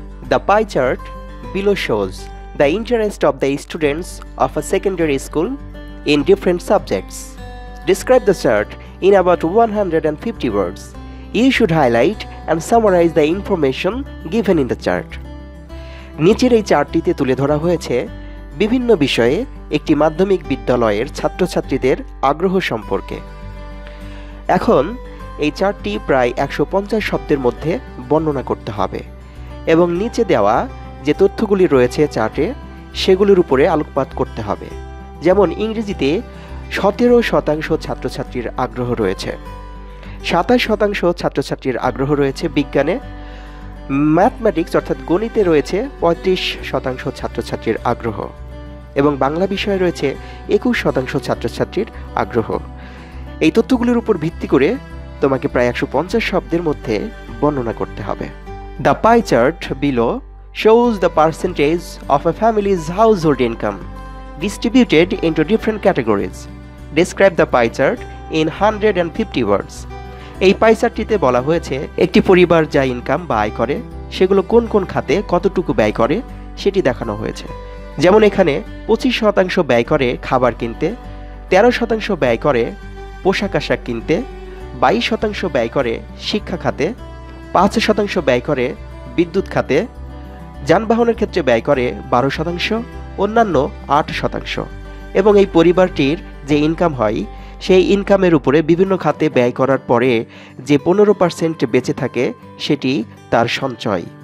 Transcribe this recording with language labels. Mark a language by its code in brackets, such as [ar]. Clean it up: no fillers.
[en] The pie chart below shows the interest of the students of a secondary school in different subjects. Describe the chart in about 150 words. You should highlight and summarize the information given in the chart. [bn] নিচের এই চার্টটিতে তুলে ধরা হয়েছে বিভিন্ন বিষয়ে একটি মাধ্যমিক বিদ্যালয়ের ছাত্রছাত্রীদের আগ্রহ সম্পর্কে। এখন এই চার্টটি প্রায় 150 শব্দের মধ্যে বর্ণনা করতে হবে এবং নিচে দেওয়া যে তথ্যগুলি রয়েছে চার্টে সেগুলির উপরে আলোকপাত করতে হবে। যেমন ইংরেজিতে 17% ছাত্রছাত্রীর আগ্রহ রয়েছে, 27% ছাত্রছাত্রীর আগ্রহ রয়েছে বিজ্ঞানে, ম্যাথমেটিক্স অর্থাৎ গণিতে রয়েছে 35% ছাত্রছাত্রীর আগ্রহ এবং বাংলা বিষয়ে রয়েছে 21% ছাত্রছাত্রীর আগ্রহ। এই তথ্যগুলির উপর ভিত্তি করে তোমাকে প্রায় 150 শব্দের মধ্যে বর্ণনা করতে হবে। [en] The pie chart below shows the percentage of a family's household income distributed into different categories. Describe the pie chart in 150 words. [bn] এই পাই চার্টটিতে বলা হয়েছে একটি পরিবার যা ইনকাম বা আয় করে সেগুলো কোন কোন খাতে কতটুকু ব্যয় করে সেটি দেখানো হয়েছে। যেমন এখানে 25% ব্যয় করে খাবার কিনতে, 13% ব্যয় করে পোশাক আশাক কিনতে, 22% ব্যয় করে শিক্ষা খাতে, 5% ব্যয় করে বিদ্যুৎ খাতে, যানবাহনের ক্ষেত্রে ব্যয় করে 12%, অন্যান্য 8% এবং এই পরিবারটির যে ইনকাম হয় সেই ইনকামের উপরে বিভিন্ন খাতে ব্যয় করার পরে যে 15% বেঁচে থাকে সেটি তার সঞ্চয়।